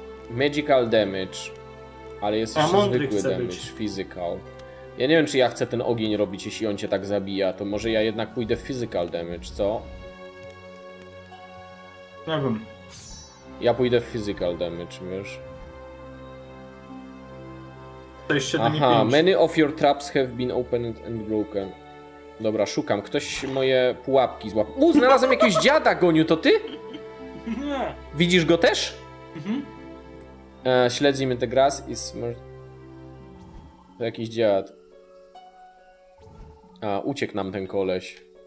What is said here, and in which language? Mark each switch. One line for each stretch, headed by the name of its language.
Polish: Magical damage, ale jest jeszcze zwykły damage, być.
English: Physical.
Polish: Ja nie wiem, czy ja chcę ten ogień robić, jeśli on cię tak zabija, to może ja jednak pójdę w physical damage, co? Nie wiem. Ja pójdę w physical damage, wiesz? To jest 7.
English: Aha, many of your traps have been opened and broken.
Polish: Dobra, szukam, ktoś moje pułapki złapał. Znalazłem jakiegoś dziada, Goniu, to ty? Nie. Widzisz go też? Mhm. Śledzimy te gras i smrz... To jakiś dziad. A, uciekł nam ten koleś.